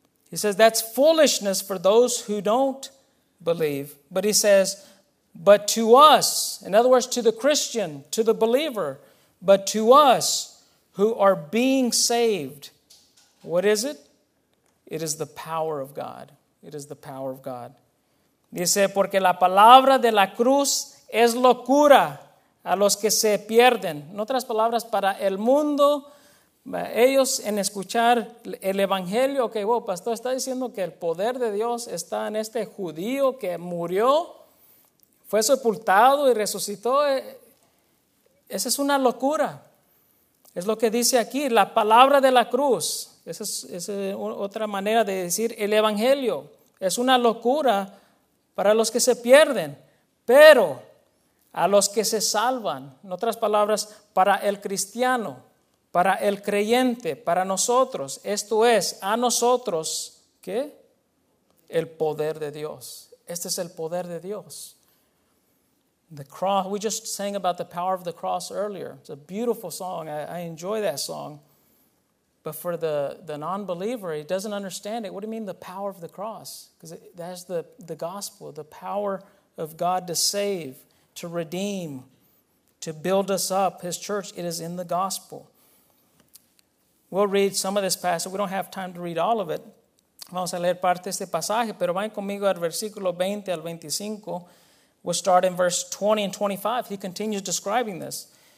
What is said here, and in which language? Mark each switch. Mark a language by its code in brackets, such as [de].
[en] He says that's foolishness for those who don't believe. But he says, but to us, in other words, to the Christian, to the believer, but to us who are being saved, what is it? It is the power of God. It is the power of God. [es] Dice, porque la palabra de la cruz es locura a los que se pierden. En otras palabras, para el mundo, ellos en escuchar el evangelio, que okay, wow, pastor está diciendo que el poder de Dios está en este judío que murió, fue sepultado y resucitó. Esa es una locura. Es lo que dice aquí, la palabra de la cruz. Esa es otra manera de decir el evangelio. Es una locura para los que se pierden, pero a los que se salvan, en otras palabras, para el cristiano, para el creyente, para nosotros, esto es, a nosotros, ¿qué? El poder de Dios. Este es el poder de Dios. [en] The cross, we just sang about the power of the cross earlier. It's a beautiful song. I enjoy that song. But for the non-believer, he doesn't understand it. What do you mean the power of the cross? Because that's the gospel, the power of God to save, to redeem, to build us up, his church. It is in the gospel. We'll read some of this passage. We don't have time to read all of it. [es] Vamos a leer parte de este pasaje, pero vayan conmigo al versículo 20 al 25. [en] We'll start in verse 20 and 25. He continues describing this.